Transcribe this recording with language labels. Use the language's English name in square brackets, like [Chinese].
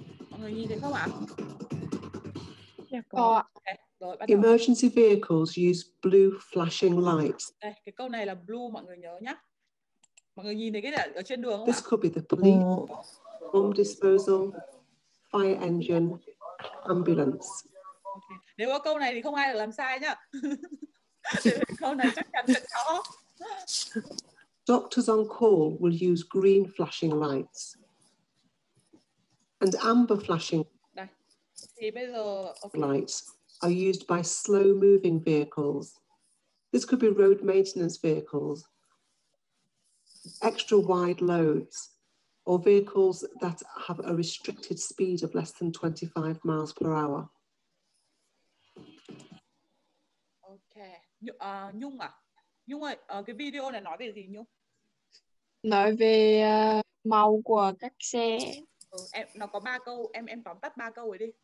[Vietnamese] Mọi người nhìn thấy không ạ? Có. Rồi, [English] emergency vehicles use blue flashing lights. [Vietnamese] Đây, cái câu này là blue mọi người nhớ nhá. Mọi người nhìn thấy cái này ở trên đường không? [English] This could be the police, bomb disposal, fire engine, ambulance. Okay. [Vietnamese] Nếu có câu này thì không ai được làm sai nhá. Câu này chắc chắn sẽ có. [English] Doctors on call will use green flashing lights and amber flashing. [Vietnamese] Đây. Thì bây giờ [English] okay. Lights are used by slow moving vehicles. This could be road maintenance vehicles, extra wide loads, or vehicles that have a restricted speed of less than 25 miles per hour. [Vietnamese] Okay. Nhung à? Nhung ơi, cái video này nói về gì Nhung? Nói về màu của các xe. Em nó có ba câu, em tóm tắt ba câu ấy đi.